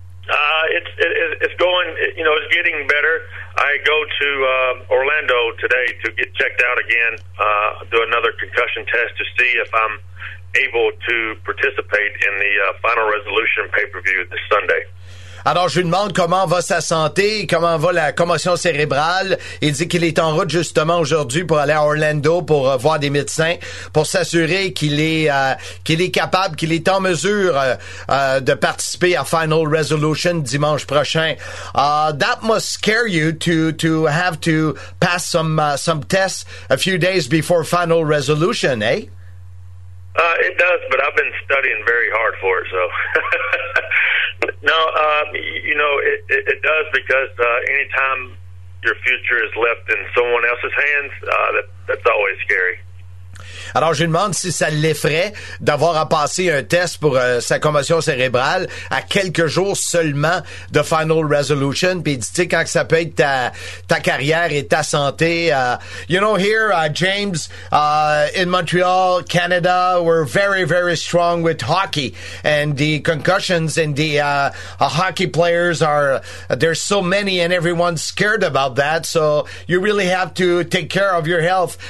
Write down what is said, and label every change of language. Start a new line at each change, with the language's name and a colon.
English: It's getting better. I go to Orlando today to get checked out again, do another concussion test to see if I'm able to participate in the final resolution pay-per-view this Sunday.
French: Alors, je lui demande comment va sa santé, comment va la commotion cérébrale. Il dit qu'il est en route, justement, aujourd'hui pour aller à Orlando pour voir des médecins, pour s'assurer qu'il est capable, qu'il est en mesure de participer à Final Resolution dimanche prochain.
English: That must scare you to have to pass some tests a few days before Final Resolution, eh? It does, but I've been studying very hard for it, so... No, it does because anytime your future is left in someone else's hands, that's always scary.
French: Alors, je lui demande si ça l'effraie d'avoir à passer un test pour sa commotion cérébrale à quelques jours seulement de Final Resolution. Puis il dit, tu sais, quand ça peut être ta carrière et ta santé.
English: James, in Montreal, Canada, we're very, very strong with hockey. And the concussions and the hockey players are, there's so many and everyone's scared about that. So you really have to take care of your health.